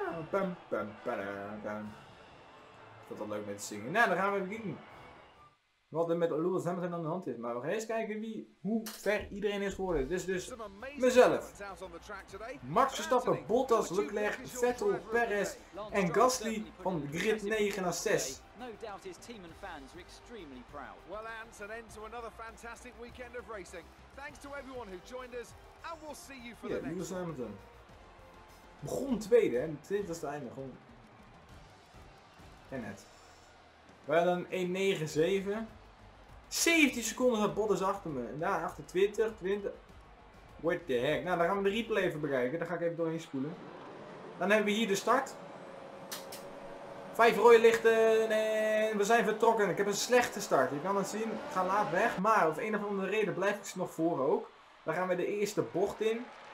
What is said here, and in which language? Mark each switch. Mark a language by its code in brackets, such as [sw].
[nl] Pam pam pam. Ik vond dat leuk met zingen. Nou, dan gaan we even kijken wat er met Lewis Hamilton aan de hand is. Maar we gaan eerst kijken hoe ver iedereen is geworden. Dit is dus mezelf. Max Verstappen, Bottas, Leclerc, Vettel, Perez en Gasly van grid 9 naar 6. [en] No doubt his team and fans are extremely proud. Well, Ant, an end to another fantastic weekend of racing. Thanks to everyone who joined us and we'll see you for the next. [nl] Lewis Hamilton. Begon tweede, hè? 20ste einde. Gewoon. En net. We hadden een 1.9.7. 17 seconden had Bottas achter me. En daar achter 20. [en] What the heck. [nl] Nou, dan gaan we de replay even bekijken. Daar ga ik even doorheen spoelen. Dan hebben we hier de start. 5 rode lichten. En we zijn vertrokken. Ik heb een slechte start. Je kan het zien. Ik ga laat weg. Maar op een of andere reden blijf ik ze nog voor ook. Dan gaan we de eerste bocht in.